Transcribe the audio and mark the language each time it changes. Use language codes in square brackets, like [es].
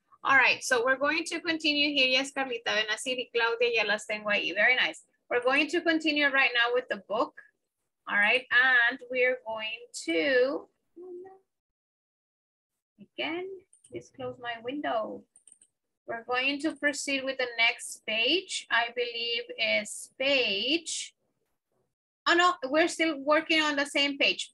[en] All right, so we're going to continue here. [es] Yes, Carlita Benacir y Claudia, ya las tengo ahí. [en] Very nice. We're going to continue right now with the book. All right, and we're going to... Again, please close my window. We're going to proceed with the next page. I believe is page. Oh no, we're still working on the same page.